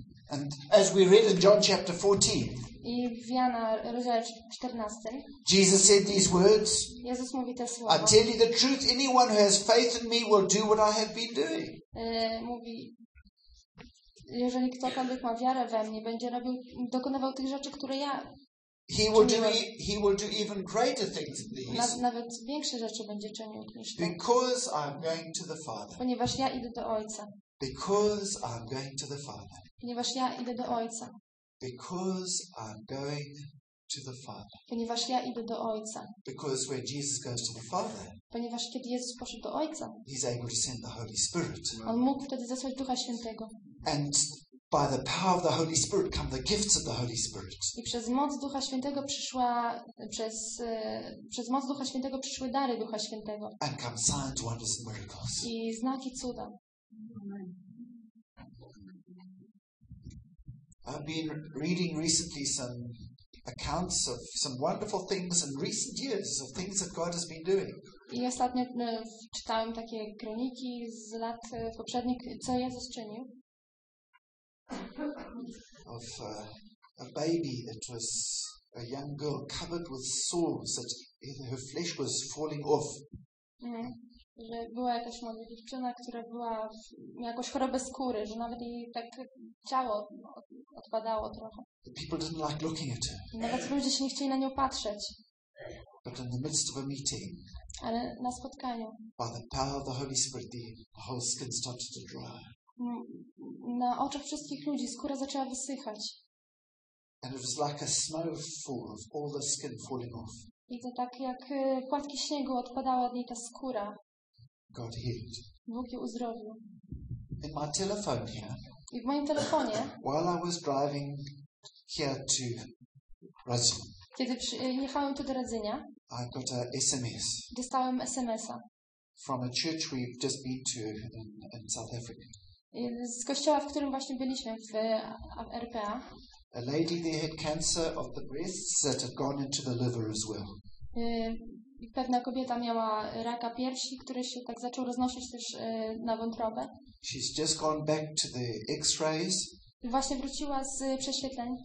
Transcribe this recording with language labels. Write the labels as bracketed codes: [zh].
[en] And as we read in John chapter 14. [pl] I w Jana rozdziale 14. [en] Jesus said these words. [pl] Jezus mówi te słowa. [en] I tell you the truth, anyone who has faith in me will do what I have been doing. [pl] Mówi. jeżeli ktokolwiek ma wiarę we mnie, będzie robił, dokonywał tych rzeczy, które ja. [en] He will do even greater things than these. [pl] Nawet większe rzeczy będzie czynił niż to. [en] Because I'm going to the Father. [pl] Ponieważ ja idę do Ojca. [en] Because I'm going to the Father. [pl] Ponieważ ja idę do Ojca. [en] Because I'm going to the Father. [pl] Ponieważ ja idę do Ojca. [en] Because when Jesus goes to the Father. [pl] Ponieważ kiedy Jezus poszedł do Ojca. [en] He's able to send the Holy Spirit. [pl] On mógł wtedy zesłać Ducha Świętego. [en] And by the power of the Holy Spirit come the gifts of the Holy Spirit. [pl] I przez moc Ducha Świętego przyszła przez moc Ducha Świętego przyszły dary Ducha Świętego. [en] And come signs, wonders, and miracles. [pl] I znaki, cuda. [en] I've been reading recently some accounts of some wonderful things in recent years of things that God has been doing. [pl] I ostatnio czytałem takie kroniki z lat poprzednich, co Jezus czynił. [en] Of a baby that was a young girl covered with sores, that her flesh was falling off. [pl] Że była jakaś młoda dziewczyna, która była miała jakąś chorobę skóry, że nawet jej tak ciało odpadało trochę. [en] The people didn't like looking at her. [pl] Nawet ludzie się nie chcieli na nią patrzeć. [en] But in the midst of a meeting, [pl] ale na spotkaniu, [en] by the power of the Holy Spirit, the whole skin started to dry. [pl] Na oczach wszystkich ludzi skóra zaczęła wysychać. [en] And it was like a snowfall of all the skin falling off. [pl] I to tak jak płatki śniegu odpadała od niej ta skóra. [en] God healed. [pl] Bóg ją uzdrowił. [en] In my telephone here. [pl] I w moim telefonie. [en] While I was driving here to Radzyń. [pl] Kiedy jechałem tu do Radzynia. [en] I got a SMS. [pl] Dostałem SMS-a. [en] From a church we've just been to in South Africa. [pl] Z kościoła, w którym właśnie byliśmy, w RPA. [en] A lady there had cancer of the breasts that had gone into the liver as well. [pl] Pewna kobieta miała raka piersi, który się tak zaczął roznosić też na wątrobę. [en] She's just gone back to the X-rays. [pl] Właśnie wróciła z prześwietleń.